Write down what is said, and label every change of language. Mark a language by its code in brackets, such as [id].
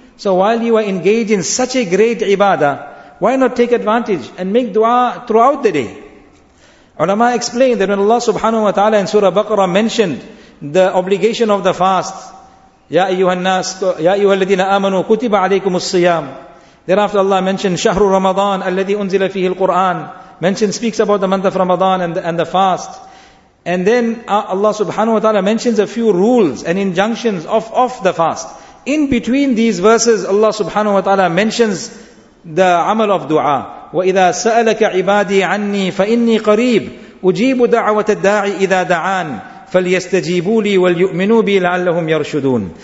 [en] So while you are engaged in such a great ibadah, why not take advantage and make dua throughout the day? Ulama explained that when Allah subhanahu wa ta'ala in Surah Baqarah mentioned the obligation of the fast, [ar] يَا أَيُّهَا النَّاسُ يَا أَيُّهَا الَّذِينَ آمَنُوا كُتِبَ عَلَيْكُمُ الصِّيَامِ. [en] Thereafter Allah mentioned [ar] شَهْرُ رَمَضَانَ الَّذِي أُنزِلَ فِيهِ الْقُرْآنِ. [en] Mentioned, speaks about the month of Ramadan and the fast. And then Allah subhanahu wa ta'ala mentions a few rules and injunctions of the fast. In between these verses, Allah subhanahu wa ta'ala mentions the amal of dua. [ar] وَإِذَا سَأَلَكَ عِبَادِي عَنِّي فَإِنِّي قَرِيبٌ أُجِيبُ دَعْوَةَ الدَّاعِي إِذَا دَعَانِ فَلْيَسْتَجِيبُوا لِي وَلْيُؤْمِنُوا بِي لَعَلَّهُمْ يَرْشُدُونَ.